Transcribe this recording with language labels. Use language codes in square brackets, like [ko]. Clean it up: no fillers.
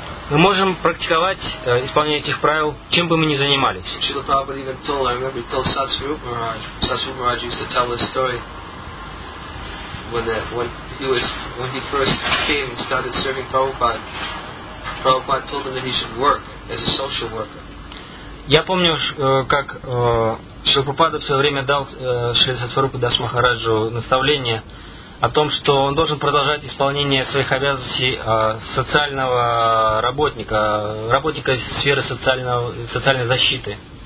[ru] Мы можем практиковать исполнение этих правил, чем бы мы ни занимались. [en] Шрила Прабхупада even told, I remember he told Satsurupa Maharaj used to tell this story when he first came and started serving Prabhupada. Prabhupada told him that he should work as a social worker. [ru] Я помню, как Шрила Прабхупада в свое время дал Шрила Сатварупа Дас Махараджу наставление о том, что он должен продолжать исполнение своих обязанностей социального работника, работника сферы социальной защиты.